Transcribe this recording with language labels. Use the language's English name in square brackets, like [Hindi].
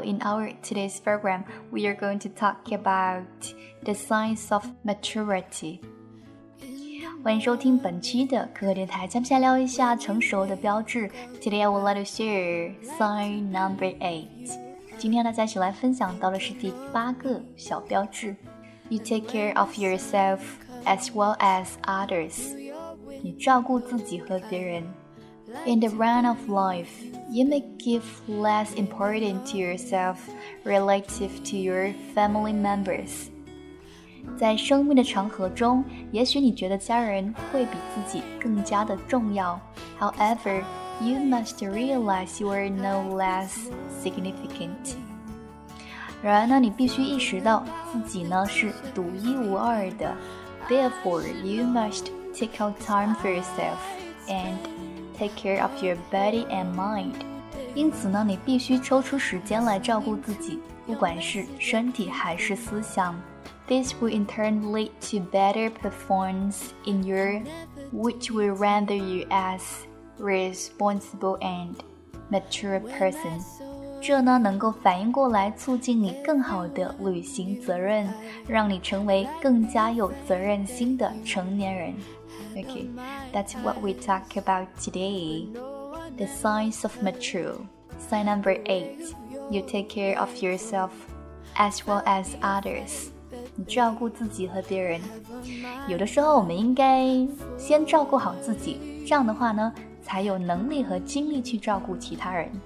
[English] In our today's program, we are going to talk about the science of maturity. [Chinese] 欢迎收听本期的可可电台，咱们先聊一下成熟的标志。 [English] Today, I would like to share sign number 8. [Chinese] 今天呢，再一起来分享到的是第八个小标志。 [English] You take care of yourself as well as others. [Chinese] 你照顾自己和别人。 [English] In the round of life, you may give less importance to yourself relative to your family members. [Chinese] 在生命的长河中，也许你觉得家人会比自己更加的重要。 [English] However, you must realize you are no less significant. [Chinese] 然而呢，你必须意识到自己呢是独一无二的。 [English] Therefore, you must take out time for yourself andTake care of your body and mind. [Chinese] 因此呢，你必须抽出时间来照顾自己，不管是身体还是思想。 [English] This will in turn lead to better performance in your, which will render you as responsible and mature person. [Chinese] 这呢，能够反映过来，促进你更好地履行责任，让你成为更加有责任心的成年人。 [English] Okay, that's what we talk about today. The signs of mature. Sign number 8. You take care of yourself as well as others. [Chinese] 你照顾自己和别人。有的时候我们应该先照顾好自己，这样的话呢，才有能力和精力去照顾其他人。